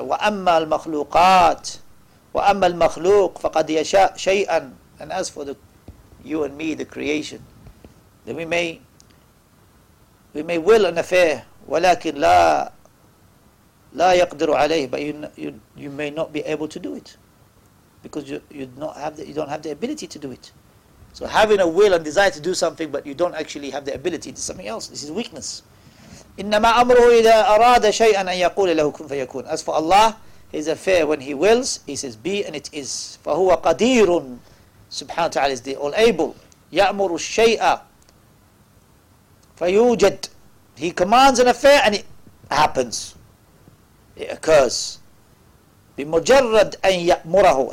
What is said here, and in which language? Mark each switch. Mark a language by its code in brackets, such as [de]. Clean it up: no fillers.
[ar] وَأَمَّا الْمَخْلُوقَاتِ وَأَمَّا الْمَخْلُوقِ فَقَدْ يَشَاءَ شَيْئًا [en] And as for the you and me, the creation, then we may will an affair, [ar] وَلَكِنْ لَا يَقْدِرُ عَلَيْهِ [en] But you may not be able to do it. Because you don't have the ability to do it. So having a will and desire to do something, but you don't actually have the ability to do something else, this is weakness. [ar] إنما أمره إذا أراد شيئا أن يقول له كن فيكون. [en] As for Allah, His affair when He wills, He says be and it is. [ar] فهو قدير سبحانه وتعالى [en] is the all able. [ar] يأمر الشيء فيوجد. [en] He commands an affair and it happens. It occurs. [ar] بمجرد أن يأمره.